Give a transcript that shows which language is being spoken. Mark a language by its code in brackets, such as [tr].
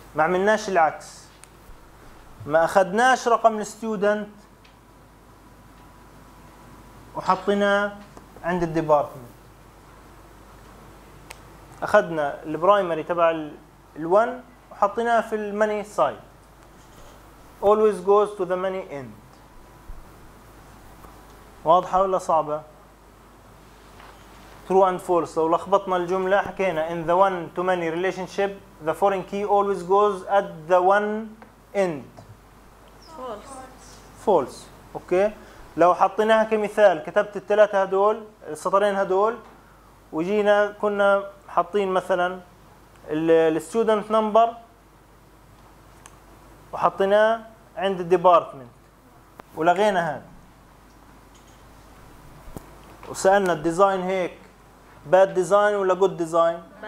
[ar] ما عملناش العكس، ما اخذناش رقم الستودنت وحطيناه عند الديبارتمنت، اخذنا البرايمري تبع ال1 وحطيناه في الماني سايد. [en] Always goes to the many end. [ar] واضحه ولا صعبه؟ [en] true and false. [ar] لو لخبطنا الجملة حكينا [en] in the one to many relationship the foreign key always goes at the one end. false. false. Okay. [ar] لو حطيناها كمثال كتبت الثلاثة هدول السطرين هدول وجينا كنا حاطين مثلا الستودنت نمبر وحطيناه عند الديبارتمنت ولغينا هذا وسألنا الديزاين هيك باد ديزاين ولا جود ديزاين؟